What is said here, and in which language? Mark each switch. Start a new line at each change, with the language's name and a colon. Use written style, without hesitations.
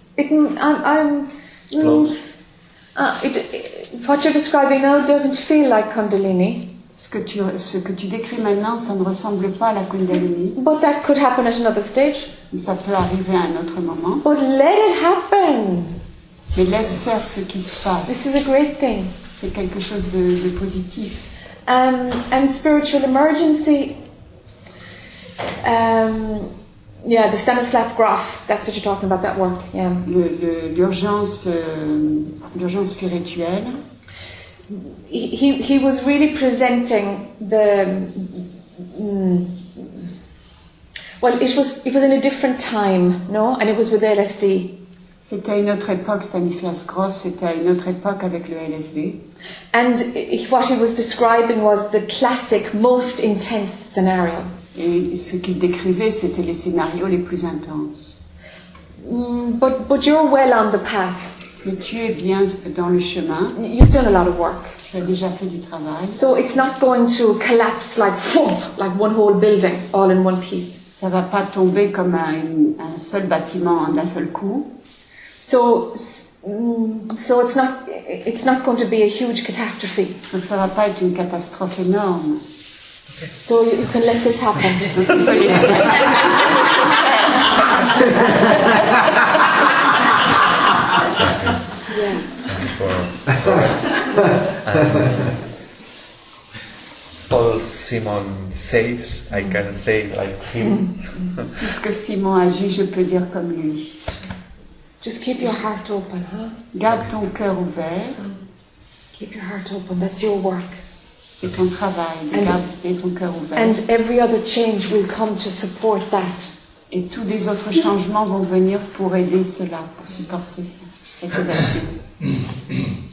English: What you're describing now doesn't feel like Kundalini.
French: Ce que tu décris maintenant, ça ne ressemble pas à la Kundalini.
English: But that could happen at another stage.
French: Ça peut arriver à un autre moment.
English: But let it happen.
French: Mais laisse faire ce qui se passe.
English: This is a great thing.
French: C'est quelque chose de positif.
English: And spiritual emergency. The Stanislav Grof. That's what you're talking about. That work. Yeah.
French: L'urgence spirituelle.
English: He was really presenting the. It was in a different time, no? And it was with LSD.
French: C'était une autre époque, Stanislav Grof. C'était une autre époque avec le LSD.
English: And what he was describing was the classic, most intense scenario.
French: Et ce qu'il décrivait, c'était les scénarios les plus intenses.
English: But you're well on the path.
French: Mais tu es bien dans le chemin.
English: You've done a lot of work.
French: Tu as déjà fait du travail.
English: So it's not going to collapse like one whole building, all in one piece.
French: Ça va pas tomber comme un seul bâtiment d'un seul coup. So it's not going to be a huge catastrophe. Donc ça va pas être une catastrophe énorme.
English: So you can let this happen. Paul Simon says, I can say like him.
French: Tout ce que Simon agit, je peux dire comme lui.
English: Just keep your heart open, huh?
French: Garde ton cœur ouvert.
English: Keep your heart open, that's your work.
French: C'est ton travail de garder ton cœur ouvert.
English: And every other change will come to support that.
French: Et tous les autres changements vont venir pour aider cela, pour supporter ça, cette ouverture.